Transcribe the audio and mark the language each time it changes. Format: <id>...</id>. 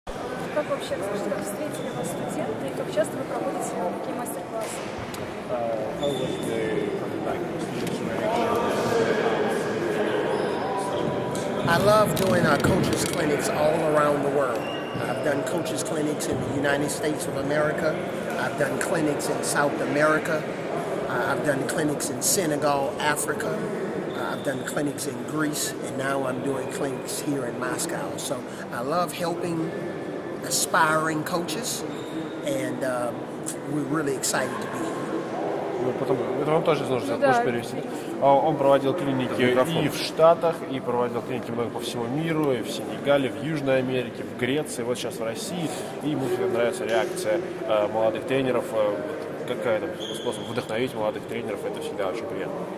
<ru>как вообще, скажите, как встретили вас студенты и как часто вы проводите такие мастер-классы?</ru> <en>I love doing our coaches clinics all around the world. I've done coaches clinics in the United States of America. I've done clinics in South America. I've done clinics in Senegal, Africa. I've done clinics in Greece, and now I'm doing clinics here in Moscow. So I love helping aspiring coaches, and we're really excited to be here.</en> <ru>Потом, это вам тоже сложно, да, перевести. Он проводил клиники и в Штатах, и проводил клиники по всему миру, и в Сенегале, в Южной Америке, в Греции, вот сейчас в России. И ему нравится реакция молодых тренеров. Какая там способ вдохновить молодых тренеров, это всегда очень приятно.</ru>